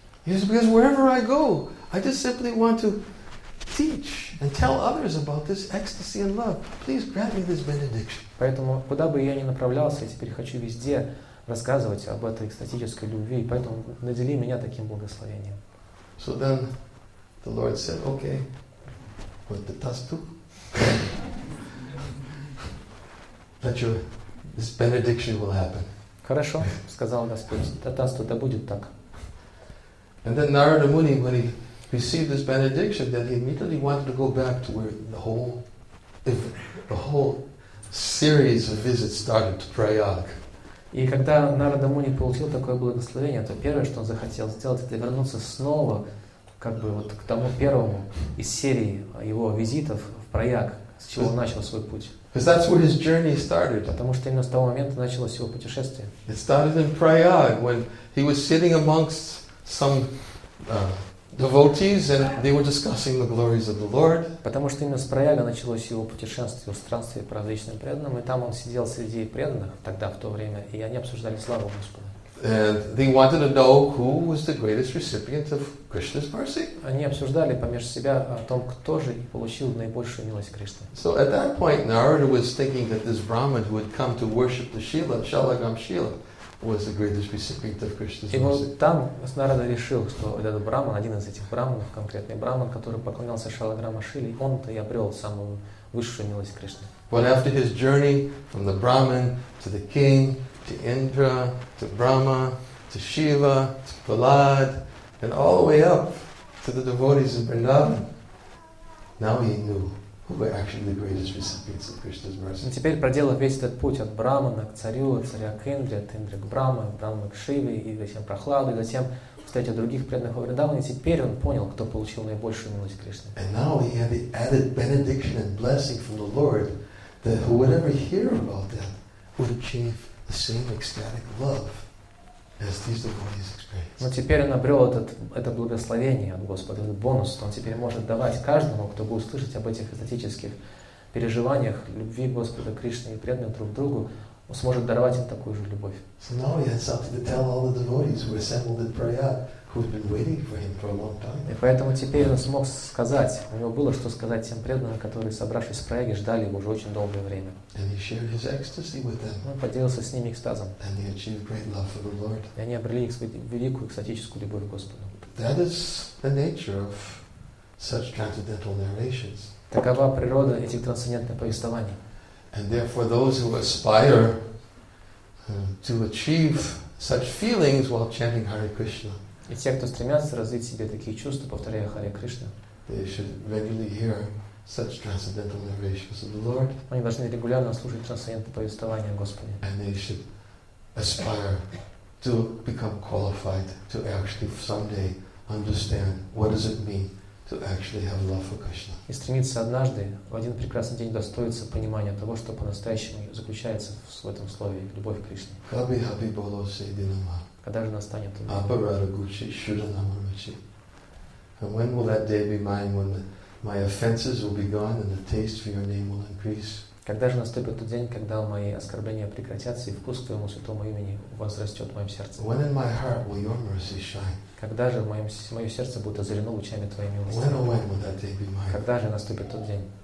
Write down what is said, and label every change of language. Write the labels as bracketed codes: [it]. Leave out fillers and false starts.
[en] Because wherever I go, I just simply want to teach and tell others about this ecstasy and love. Please grant me this benediction. [ru] Поэтому куда бы я ни направлялся, я теперь хочу везде рассказывать об этой экстатической любви, и поэтому надели меня таким благословением. [en] So then the Lord said, okay, what the task to? That your this benediction will happen. [ru] Хорошо, сказал Господь. Татасту, да будет так. [en] And then Narada Muni, when he received this benediction, then he immediately wanted to go back to where the whole series of visits started to Prayag. [ru] И когда Нарада Муни получил такое благословение, то первое, что он захотел сделать, это вернуться снова, как бы вот к тому первому из серии его визитов в Прайаг, с чего он начал свой путь. [en] Because that's where his journey started. [ru] Потому что именно с того момента началось его путешествие. [en] It started in Prayag when he was sitting amongst some devotees and they were discussing the glories of the Lord. [ru] Потому что именно с Прайага началось его путешествие, странствие по различным преданным, и там он сидел среди преданных тогда в то время, и они обсуждали славу Господа. [en] And they wanted to know who was the greatest recipient of Krishna's mercy. [ru] Они обсуждали помежду себя о том, кто же получил наибольшую милость Кришны. [en] So at that point, Narada was thinking that this Brahmin who had come to worship the Shila, Shalagram Shila, was the greatest recipient of Krishna's mercy. [ru] И вот там Нарада решил, что этот Брахман, один из этих Брахманов, конкретный Брахман, который поклонялся Шалаграма Шиле, он-то и обрел самую высшую милость Кришны. [en] But after his journey from the Brahmin to the king, to Indra, to Brahma, to Shiva, to Prahlad, and all the way up to the devotees of Vrindavan. Now he knew who were actually the greatest recipients of Krishna's mercy. [ru] Но теперь, проделав весь этот путь от Брахмана к царю, от царя к Индре, от Индры к Брахме, от Брахмы к Шиве, и затем Прохладу, и затем встретил других преданных во Вриндаване, теперь он понял, кто получил наибольшую милость Кришны. [en] And now he had the added benediction and blessing from the Lord that whoever hear about that would achieve the same ecstatic love as these devotees experienced. [ru] Но теперь он обрел это благословение от Господа, этот бонус, он теперь может давать каждому, кто будет слышать об этих эстетических переживаниях любви Господа Кришны и преданных друг другу, он сможет даровать им такую же любовь. [en] So now he had something to tell all the devotees who assembled in Prayag, who had been waiting for him for a long time. [ru] И поэтому теперь он смог сказать, у него было что сказать тем преданным, которые, собравшись в Прайаге, ждали его уже очень долгое время. [en] And he shared his ecstasy with them. [ru] Он поделился с ними экстазом. [en] And they achieved great love for the Lord. [ru] И они обрели их великую экстатическую любовь к Господу. [en] That is the nature of such transcendental narrations. [ru] Такова природа этих трансцендентных повествований. [en] And therefore those who aspire to achieve such feelings while chanting Hare Krishna. [ru] И те, кто стремятся развить в себе такие чувства, повторяя Харе Кришна, [en] they should regularly hear such transcendental narrations of the Lord. [ru] Они должны регулярно слушать трансцендентные повествования Господа. [en] And they should aspire to become qualified to actually someday understand what does it mean to actually have love for Krishna. [ru] И стремиться однажды в один прекрасный день достоиться понимания того, что по-настоящему заключается в этом слове любовь к Кришне. [bn] Хаби хаби боло сейдинама. [ru] Когда же настанет он? [bn] Апарада гучи шуданамарачи. [en] And when will that day be mine when my offenses will be gone and the taste for your name will increase? [ru] Когда же наступит тот день, когда мои оскорбления прекратятся и вкус к твоему святому имени возрастет в моем сердце? [en] When in my heart will your mercy shine? [ru] Когда же мое сердце будет озарено лучами твоей милости? [en] When will that day be mine? [ru] Когда же наступит тот день?